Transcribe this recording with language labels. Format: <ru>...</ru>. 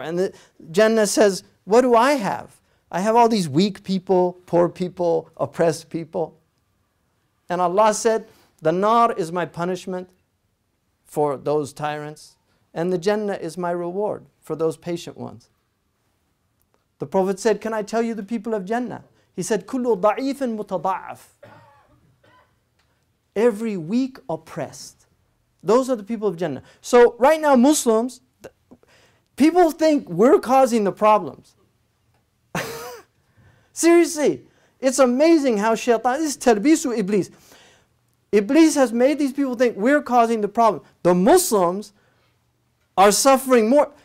<en>And the Jannah says, what do I have? I have all these weak people, poor people, oppressed people. And Allah said, the Nar is my punishment for those tyrants. And the Jannah is my reward for those patient ones. The Prophet said, can I tell you the people of Jannah? He said,</en> <ar>كُلُّ ضَعِيفٍ مُتَضَعَفٍ.</ar> <en>Every weak oppressed. Those are the people of Jannah. So right now Muslims, people think we're causing the problems. Seriously, it's amazing how shaitan, this is talbisu Iblis. Iblis has made these people think we're causing the problem. The Muslims are suffering more.</en>